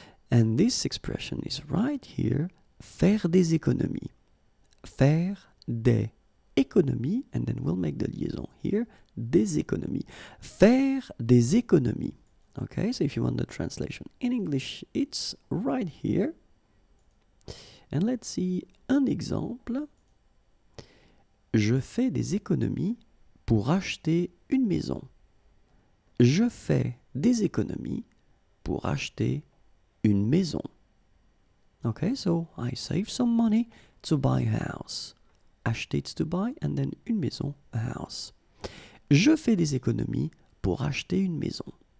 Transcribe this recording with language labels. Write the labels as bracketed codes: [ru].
[en] And this expression is right here, [fr] faire des économies. Faire des économies, [en] and then we'll make the liaison here, [fr] des économies. Faire des économies. [en] Okay, so if you want the translation in English, it's right here. And let's see an example. [fr] Je fais des économies pour acheter une maison. Je fais des économies pour acheter une maison. [en] Okay, so I save some money to buy a house. Acheter, it's to buy, and then [fr] une maison, [en] a house. [fr] Je fais des économies pour acheter une maison.